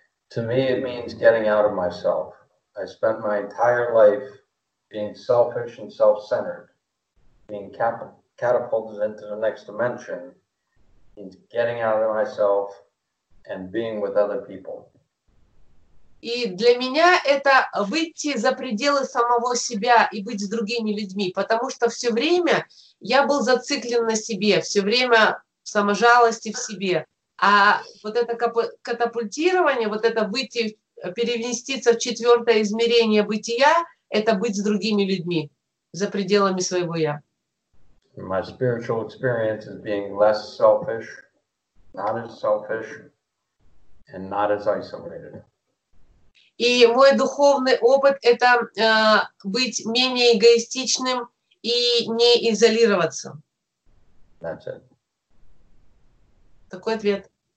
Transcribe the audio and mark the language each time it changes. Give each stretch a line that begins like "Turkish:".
English: To me, it means getting out of myself. I spent my entire life being selfish and self-centered, being catapulted into the next dimension, means getting out of myself and being with other people.
Russian: И для меня это выйти за пределы самого себя и быть с другими людьми, потому что все время я был зациклен на себе, все время в саможалости в себе. А вот это катапультирование, вот это выйти, перевеститься в четвертое измерение бытия, это быть с другими людьми, за пределами своего я.
English: My spiritual experience is being less selfish, not as selfish, and not as isolated.
Russian: И мой духовный опыт — это быть менее эгоистичным и не изолироваться.
English: That's it.
Russian: Такой ответ.